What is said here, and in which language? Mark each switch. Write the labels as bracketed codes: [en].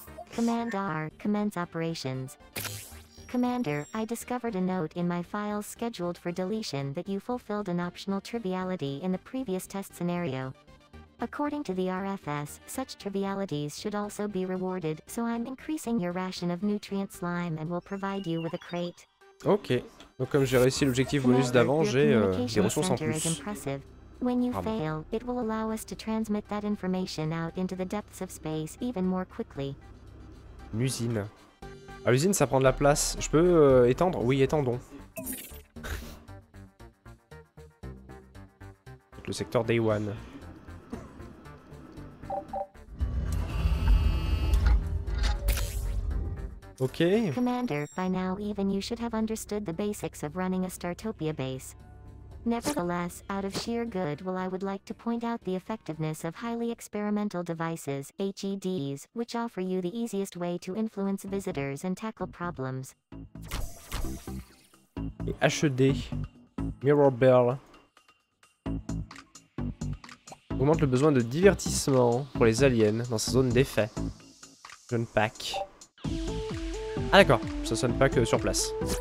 [en] Commander, commence operations. Commander, I discovered a note in my files scheduled for deletion that you fulfilled an optional triviality in the previous test scenario. According to the RFS, such trivialities should also be rewarded, so I'm increasing your ration of nutrient slime and will provide you with a crate. [fr] Ok, donc comme j'ai réussi l'objectif bonus d'avant, j'ai des ressources en plus. [en] Is impressive. When you fail, it will allow us to transmit that information out into the depths of space even more quickly. [fr] Une usine. Ah, l'usine, ça prend de la place. Je peux étendre ? Oui, étendons. Le secteur Day One. Ok. [en] Commander, by now even you should have understood the basics of running a Startopia base. Nevertheless, out of sheer good will I would like to point out the effectiveness of highly experimental devices, HEDs, which offer you the easiest way to influence visitors and tackle problems. [fr] Les HED, Mirror Bell, augmente le besoin de divertissement pour les aliens dans sa zone d'effet. Jeune pack. Ah d'accord, ça sonne pas que sur place.